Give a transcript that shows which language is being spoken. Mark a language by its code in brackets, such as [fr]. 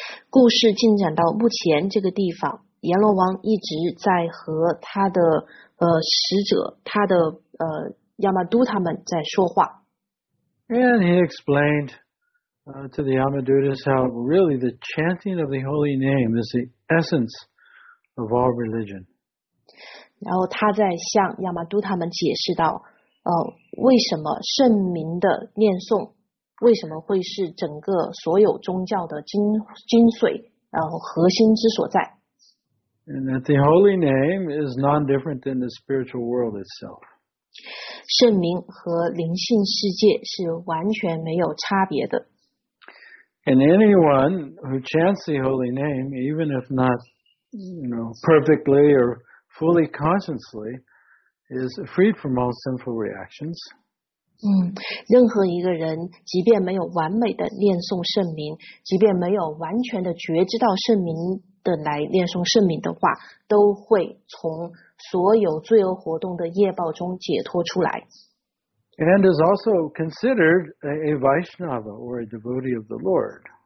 [zh] 故事进展到目前这个地方，阎罗王一直在和他的使者，他的Yamaduta们在说话。 [en] And he explained to the Yamadutas how really the chanting of the holy name is the essence of all religion. [zh] 然后他在向亚玛都他们解释到为什么圣名的念诵为什么会是整个所有宗教的精髓然后核心之所在。 [en] And that the holy name is non-different than the spiritual world itself. [zh] 圣名和灵性世界是完全没有差别的。 [en] And anyone who chants the holy name, even if not, perfectly or fully consciously, is freed from all sinful reactions. [zh] 任何一个人，即便没有完美的念诵圣名，即便没有完全的觉知到圣名的来念诵圣名的话，都会从所有罪恶活动的业报中解脱出来。 [en] And is also considered a Vaishnava or a devotee of the Lord.